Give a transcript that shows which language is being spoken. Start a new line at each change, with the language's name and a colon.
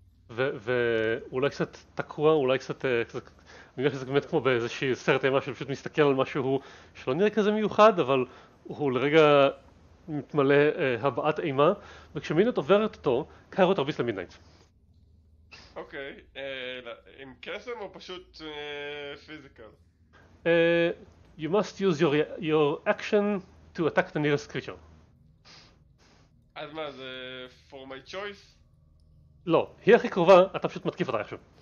Hebrew: ואולי קצת תקוע, אולי קצת אני יודע שזה באמת כמו באיזושהי סרט אימה שפשוט מסתכל על משהו שלא נראה כזה מיוחד אבל הוא לרגע מתמלא הבעת אימה וכשמינט עוברת אותו קיירו תרביס למידנייט. אוקיי, עם קסם או פשוט פיזיקל?
English: You must use your action to attack the nearest creature.
Hebrew: אז מה, זה
English: for my choice?
Hebrew: לא, היא הכי קרובה, אתה פשוט מתקיף אותה עכשיו.